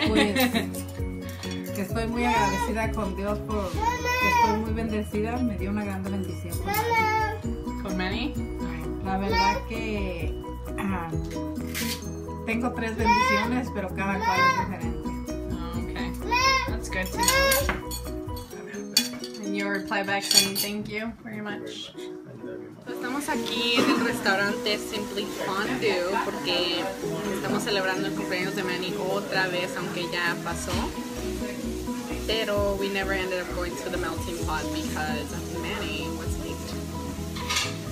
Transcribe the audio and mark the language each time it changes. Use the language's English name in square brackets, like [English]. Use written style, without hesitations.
[Spanish] Tiene que decir la cámara. ¿Qué quieres que le diga? Pues, que estoy muy agradecida con Dios por que estoy muy bendecida. Me dio una gran bendición. ¿Con Manny? La verdad que tengo tres bendiciones, pero cada cual es diferente. [English] Oh, okay. That's good to know. And your reply back saying thank you very much. [Spanish] Estamos aquí en el restaurante Simply Fondue porque estamos celebrando el cumpleaños de Manny otra vez, aunque ya pasó. [English] Pero we never ended up going to the melting pot because Manny was late.